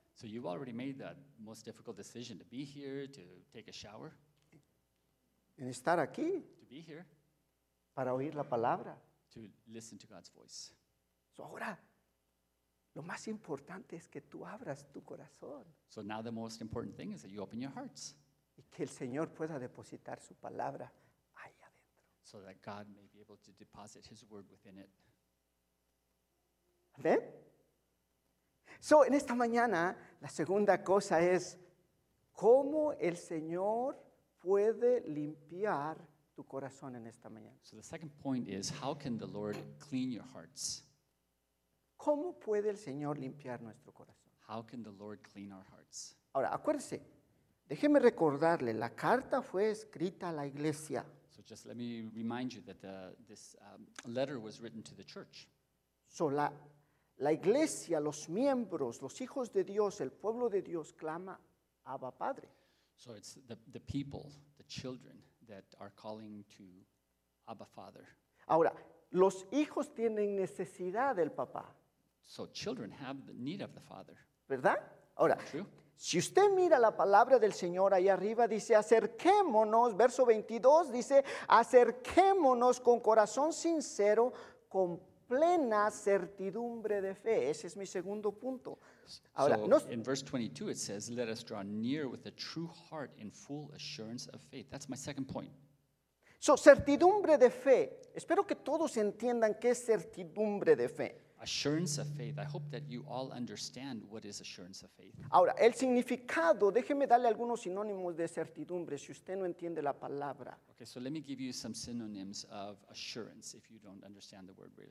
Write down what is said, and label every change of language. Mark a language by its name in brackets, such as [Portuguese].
[English] So you've already made the most difficult decision to be here, to take a shower. [Spanish] En estar aquí. [English] To be here. [Spanish] Para oír la palabra. [English] To listen to God's voice. [Spanish] So ahora, lo más importante es que tú abras tu corazón. [English] So now the most important thing is that you open your hearts. [Spanish] Y que el Señor pueda depositar su palabra ahí adentro. [English] So that God may be able to deposit his word within it. [Spanish] ¿Ven? So en esta mañana, la segunda cosa es, ¿cómo el Señor puede limpiar tu corazón en esta mañana? [English] So the second point is, how can the Lord clean your hearts? [Spanish] ¿Cómo puede el Señor limpiar nuestro corazón? [English] How can the Lord clean our hearts? [Spanish] Ahora, acuérdese, déjeme recordarle, la carta fue escrita a la iglesia. [English] So just let me remind you that this letter was written to the church. [Spanish] So la iglesia, los miembros, los hijos de Dios, el pueblo de Dios clama a Abba Padre. [English] So it's the people, the children that are calling to Abba Father. [Spanish] Ahora, los hijos tienen necesidad del papá. [English] So children have the need of the father. [Spanish] ¿Verdad? Ahora, [English] true? [Spanish] Si usted mira la palabra del Señor ahí arriba, dice, acerquémonos, verso 22, dice, acerquémonos con corazón sincero, con plena certidumbre de fe. Ese es mi segundo punto. Ahora, [English] so no, in verse 22 it says, let us draw near with a true heart in full assurance of faith. That's my second point. [Spanish] So, certidumbre de fe. Espero que todos entiendan qué es certidumbre de fe. [English] Assurance of faith. I hope that you all understand what is assurance of faith. [Spanish] Ahora, el significado, déjeme darle algunos sinónimos de certidumbre si usted no entiende la palabra. [English] Okay, so let me give you some synonyms of assurance if you don't understand the word really